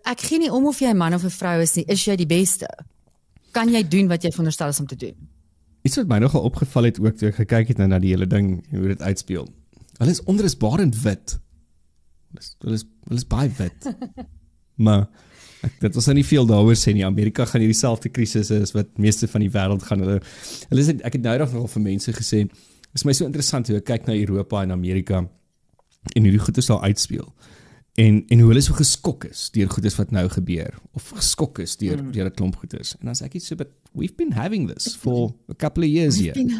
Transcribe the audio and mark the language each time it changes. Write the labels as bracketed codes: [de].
[af] Ek gee nie om of jy 'n man of 'n vrou is nie, is jy die beste? Kan jy doen wat jy veronderstel is om te doen? Iets wat my nog opgeval het ook toe ek gekyk het na die hele ding hoe dit uitspeel. Hulle is onrusbarend wit. Dit is baie wit. Maar dit was nie veel daaroor sê nie. Amerika gaan hierdie selfde krisis is wat meeste van die wêreld gaan. Hulle is, ek het nou nog al vir mense gesê, is my so interessant hoe ek kyk na Europa en Amerika en hoe die goeie sal uitspeel. En hoe hulle so geskok is deur goedes wat nou gebeur of geskok is deur 'n klomp goedes. En dan sê ek iets so, [en] but we've been having this for a couple of years here.